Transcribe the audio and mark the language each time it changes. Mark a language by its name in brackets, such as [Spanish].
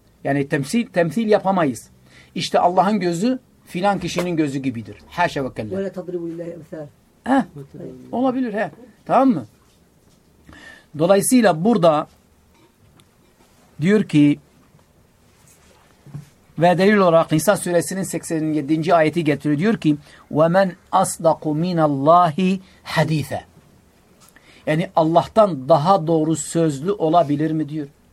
[Turkish] Yani temsil yapamayız. İşte Allah'ın gözü filan kişinin gözü gibidir. Haşa ve kella. Böyle tadribu illahi emsal. Olabilir he. Tamam mı? Dolayısıyla burada diyor ki ve delil olarak Nisa suresinin 87. ayeti getiriyor. Diyor ki [Arabic] وَمَنْ أَصْدَقُ مِنَ اللّٰهِ حَد۪يثًا. [Turkish] Yani Allah'tan daha doğru sözlü olabilir mi diyor.